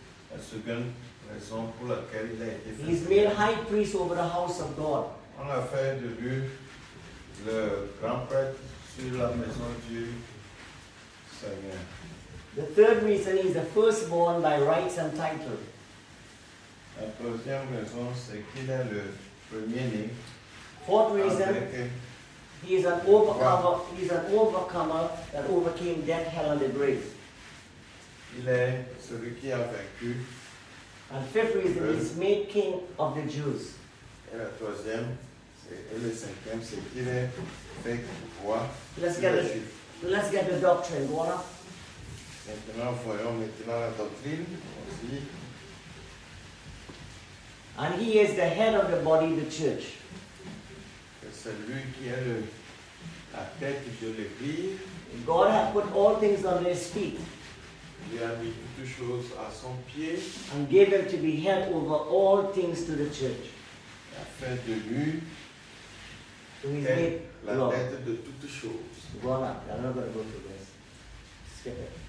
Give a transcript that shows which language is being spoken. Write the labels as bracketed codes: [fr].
[fr] La seconde raison pour laquelle il a été fait. [en] He's made high priest over the house of God. [fr] On a fait de lui le grand prêtre sur la maison du Seigneur. [en] The third reason is the firstborn by rights and title. [fr] La troisième raison, c'est qu'il est le premier-né. [en] Fourth reason, he is an overcomer. He is an overcomer that overcame death, hell, and the grave. [fr] Il est celui qui a vaincu. [en] And fifth reason, he is made king of the Jews. [fr] Et la troisième, c'est, et le cinquième, c'est qu'il est fait roi. [en] Let's get the doctrine, voilà. [fr] Maintenant, voyons maintenant la doctrine aussi. [en] And he is the head of the body, the church. [fr] C'est lui qui est la tête de l'Église. [en] God has put all things under his feet. [fr] Il a mis toutes choses à son pied. [en] And gave him to be head over all things to the church. [fr] Afin de lui, [en] so he's made [fr] la [en] Lord. [fr] Tête de toutes choses. [en] Voilà, I'm not going to go through this. Skip it.